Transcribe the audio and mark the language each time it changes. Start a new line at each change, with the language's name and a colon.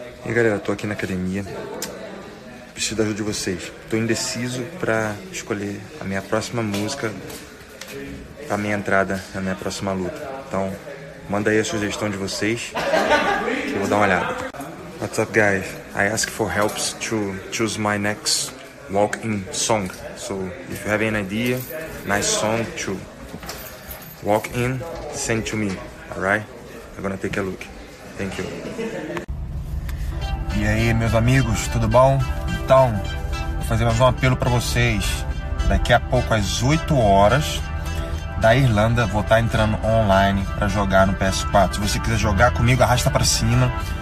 Portuguese: E galera, tô aqui na academia, preciso da ajuda de vocês. Tô indeciso pra escolher a minha próxima música pra minha entrada na minha próxima luta. Então, manda aí a sugestão de vocês, que eu vou dar uma olhada.
English: What's up, guys? I ask for help to choose my next walk-in song. So, if you have any idea, nice song to walk in, send to me, alright? I'm gonna take a look. Thank you.
Portuguese: E aí, meus amigos, tudo bom? Então, vou fazer mais um apelo para vocês. Daqui a pouco, às 8 horas, da Irlanda, vou estar entrando online para jogar no PS4. Se você quiser jogar comigo, arrasta para cima.